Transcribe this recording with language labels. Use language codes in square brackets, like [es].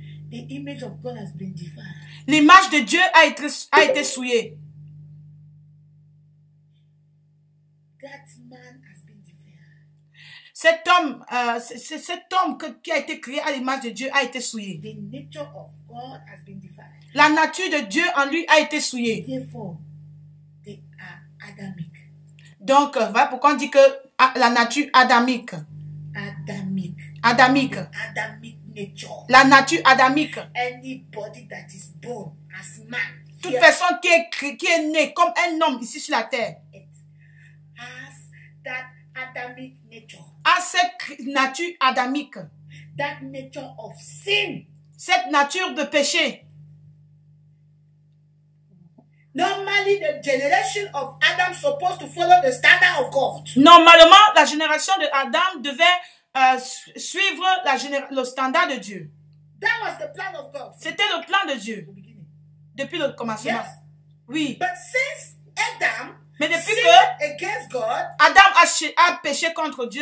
[en] The image of God has been defiled. [fr] L'image de Dieu a été souillée. [en] That man has been defiled. [fr] Cet homme qui a été créé à l'image de Dieu a été souillé. [en] The nature of God has been defiled. [fr] La nature de Dieu en lui a été souillée. [en] Therefore, they are Adamic. [fr] Donc, voilà pourquoi on dit que la nature adamique. Adamique. Adamique. Nature. La nature adamique. [en] Anybody that is born as man. [fr] Toute personne qui est née comme un homme ici sur la terre. [en] Has that Adamic nature. [fr] A cette nature adamique. [en] That nature of sin. [fr] Cette nature de péché. [en] Normally, the generation of Adam supposed to follow the standard of God. [fr] Normalement, la génération de Adam devait suivre le standard de Dieu. [en] That was the plan of God. [fr] C'était le plan de Dieu. Depuis le commencement. [en] Yes. [fr] Oui. [en] But since Adam, [fr] mais depuis que [en] against God, [fr] Adam a péché contre Dieu,